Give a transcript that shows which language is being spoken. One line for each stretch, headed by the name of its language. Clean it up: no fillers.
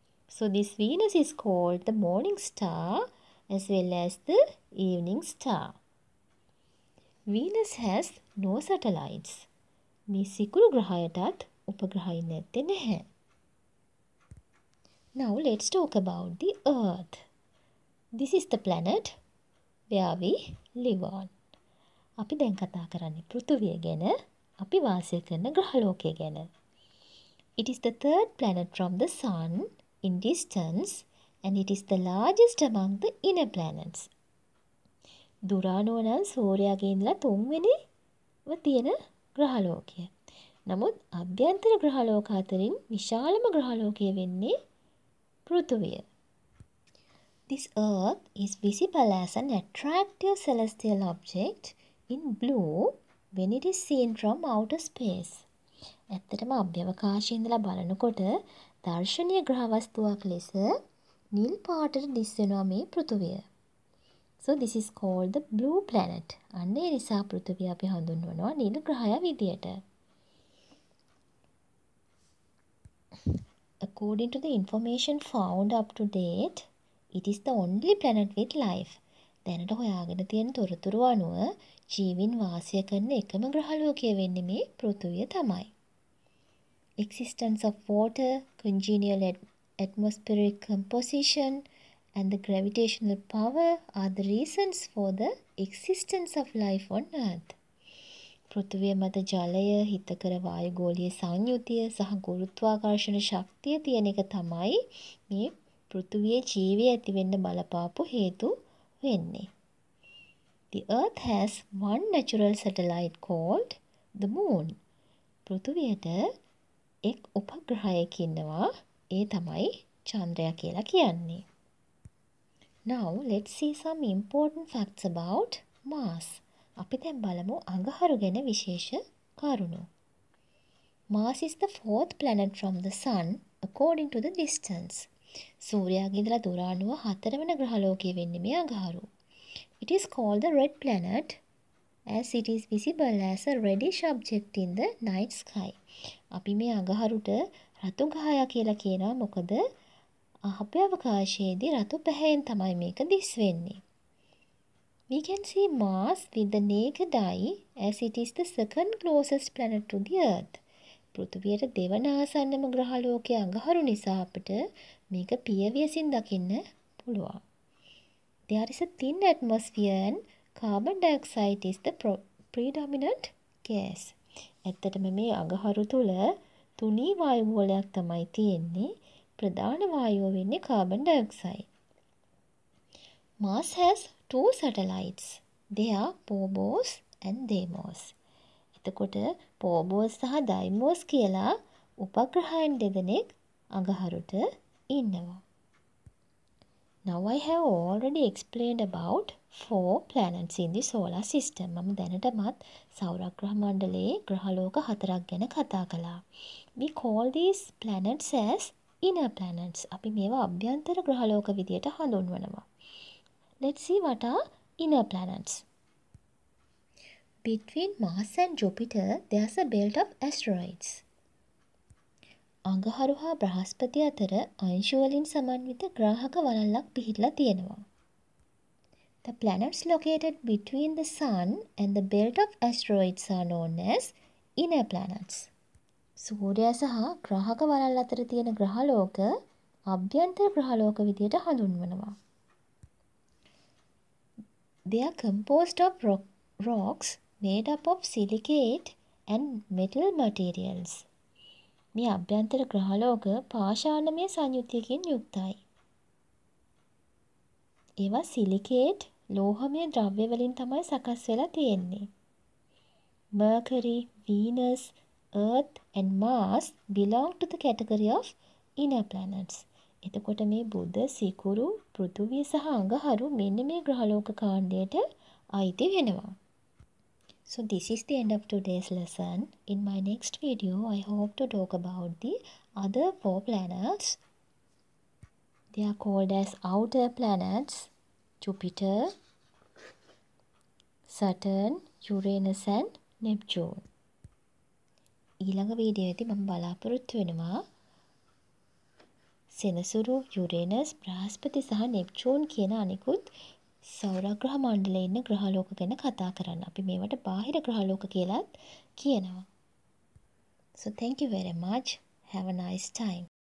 English: So this Venus is called the morning star as well as the evening star. Venus has no satellites.
Sinhala: මේ සිකුරු ග්‍රහයටත් උපග්‍රහයි නැත්තේ නැහැ.
English: Now let's talk about the Earth. This is the planet where we live on.
Sinhala: අපි දැන් කතා කරන්නේ පෘථුවිය ගැන, අපි වාසය කරන ග්‍රහලෝකය ගැන.
English: It is the third planet from the sun in distance and it is the largest among the inner planets.
Sinhala: දුරානෝ නම් සූර්යයාගේ ඉඳලා තුන්වෙනිව තියෙන ග්‍රහලෝකය. නමුත් අභ්‍යන්තර ග්‍රහලෝක අතරින් විශාලම ග්‍රහලෝකය වෙන්නේ පෘථුවිය.
English: This Earth is visible as an attractive celestial object in blue when it is seen from outer space.
Sinhala: ඇත්තටම අභ්‍යවකාශයේ ඉඳලා බලනකොට දර්ශනීය ග්‍රහ වස්තුවක් ලෙස නිල් පාටට දිස්වෙනවා මේ පෘථුවිය.
English: So this is called the blue planet.
Sinhala: අන්න ඒ නිසා පෘථුවිය අපි හඳුන්වනවා නිල් ග්‍රහය විදියට.
English: According to the information found up to date, it is the only planet with life.
Sinhala: දැනට හොයාගෙන තියෙන තොරතුරු අනුව ජීවීන් වාසය කරන එකම ග්‍රහලෝකය වෙන්නේ මේ පෘථුවිය තමයි.
English: Existence of water, congenial atmospheric composition, and the gravitational power are the reasons for the existence of life on Earth.
Sinhala: පෘථුවිය මත ජලය, හිතකර වායුගෝලීය සංයුතිය සහ ගුරුත්වාකර්ෂණ ශක්තිය තියෙන එක තමයි මේ පෘථුවියේ ජීවය ඇති වෙන්න බලපාපු හේතු වෙන්නේ.
English: The Earth has one natural satellite called the Moon.
Sinhala: පෘථුවියට එක් උපග්‍රහයෙක් ඉන්නවා, ඒ තමයි චන්ද්‍රයා කියලා කියන්නේ.
English: Now let's see some important facts about Mars.
Sinhala: අපි දැන් බලමු අඟහරු ගැන විශේෂ කරුණු.
English: Mars is the fourth planet from the sun according to the distance.
Sinhala: සූර්යයාගේ ඉඳලා දුර අනුව හතරවන ග්‍රහලෝකය වෙන්නේ මේ අඟහරු.
English: It is called the red planet as it is visible as a reddish object in the night sky.
Sinhala: අපි මේ අඟහරුට රතු ගහය කියලා කියනවා මොකද අභ්‍යවකාශයේදී රතු පැහැයෙන් තමයි මේක දිස්වෙන්නේ.
English: We can see Mars with the naked eye as it is the second closest planet to the Earth.
Sinhala: පෘථුවියට දෙවන ආසන්නම ග්‍රහලෝකයේ අඟහරු නිසා අපිට මේක පියවියසින් දකින්න පුළුවන්.
English: There is a thin atmosphere and carbon dioxide is the predominant gas.
Sinhala: ඇත්තටම මේ අඟහරු තුල තුනී වායු මූලයක් තමයි තියෙන්නේ. ප්‍රධාන වායුව වෙන්නේ carbon dioxide.
English: Mars has two satellites. They are Phobos and Deimos.
Sinhala: එතකොට Phobos සහ Deimos කියලා උපග්‍රහයන් දෙදෙනෙක් අඟහරුට ඉන්නවා.
English: Now I have already explained about four planets in the solar system.
Sinhala: මම දැනටමත් සෞරග්‍රහ මණ්ඩලයේ ග්‍රහලෝක හතරක් ගැන කතා කළා.
English: We call these planets as inner planets.
Sinhala: අපි මේවා අභ්‍යන්තර ග්‍රහලෝක විදියට හඳුන්වනවා.
English: Let's see what are inner planets. Between Mars and Jupiter, there's a belt of asteroids.
Sinhala: අඟහරු හා බ්‍රහස්පති අතර අංශුවලින් සමන්විත ග්‍රාහක වළල්ලක් පිහිටලා තියෙනවා.
English: The planets located between the Sun and the belt of asteroids are known as inner planets.
Sinhala: සූර්යයා සහ ග්‍රහක වළල් අතර තියෙන ග්‍රහලෝක අභ්‍යන්තර ග්‍රහලෝක විදියට හඳුන්වනවා.
English: They are composed of rocks made up of silicate and metal materials.
Sinhala: මේ අභ්‍යන්තර ග්‍රහලෝක පාෂාණමය සංයුතියකින් යුක්තයි. ඒවා සිලිකේට් ලෝහමය ද්‍රව්‍ය වලින් තමයි සකස් වෙලා තියෙන්නේ.
English: Mercury, Venus, Earth and Mars belong to the category of inner planets.
Sinhala: එතකොට මේ බුධ, සිකුරු, පෘථුවිය සහ අඟහරු මෙන්න මේ ග්‍රහලෝක කාණ්ඩයට අයිති වෙනවා.
English: So this is the end of today's lesson. In my next video, I hope to talk about the other four planets. They are called as outer planets, Jupiter, Saturn, Uranus and Neptune.
Sinhala: ඊළඟ වීඩියෝයේදී මම බලාපොරොත්තු වෙනවා සෙනසුරු, Uranus, බ්‍රහස්පති සහ Neptune කියන අනිකුත් සෞරග්‍රහ මණ්ඩලයේ ඉන්න ග්‍රහලෝක ගැන කතා කරන්න. අපි මේවට බාහිර ග්‍රහලෝක කියලාත් කියනවා.
English: So thank you very much. Have a nice time.